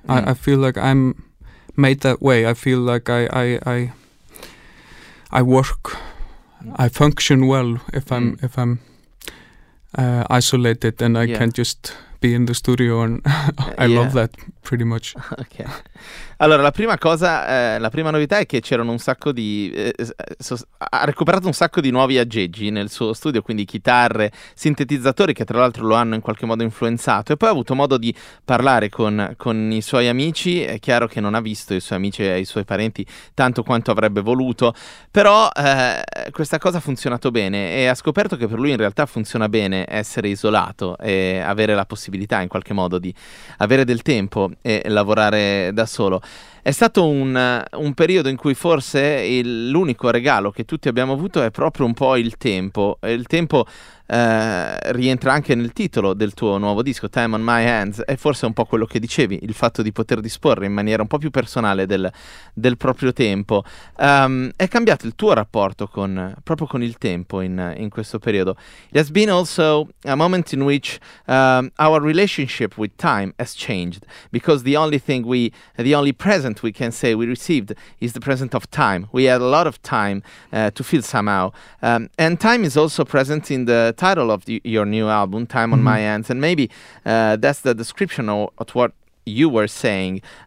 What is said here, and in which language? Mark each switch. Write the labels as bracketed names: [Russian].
[English] I feel like I'm made that way. I feel like I function well if I'm isolated and I can't just be in the studio, and I love that pretty much. Okay. [Italian] Allora, la prima cosa, la prima novità è che c'erano un sacco di ha recuperato un sacco di nuovi aggeggi nel suo studio, quindi chitarre, sintetizzatori, che tra l'altro lo hanno in qualche modo influenzato, e poi ha avuto modo di parlare con i suoi amici. È chiaro che non ha visto i suoi amici e i suoi parenti tanto quanto avrebbe voluto, però questa cosa ha funzionato bene, e ha scoperto che per lui in realtà funziona bene essere isolato e avere la possibilità in qualche modo di avere del tempo e lavorare da solo. È stato un periodo in cui forse l'unico regalo che tutti abbiamo avuto è proprio un po' il tempo. Il tempo rientra anche nel titolo del tuo nuovo disco, Time on My Hands, e forse è un po' quello che dicevi, il fatto di poter disporre in maniera un po' più personale del proprio tempo. È cambiato il tuo rapporto con il tempo in questo periodo. [English] It has been also a moment in which our relationship with time has changed, because the only present we can say we received is the present of time. We had a lot of time to feel somehow, and time is also present in the title of your new album, Time on My Hands, and maybe that's the description of what you were saying.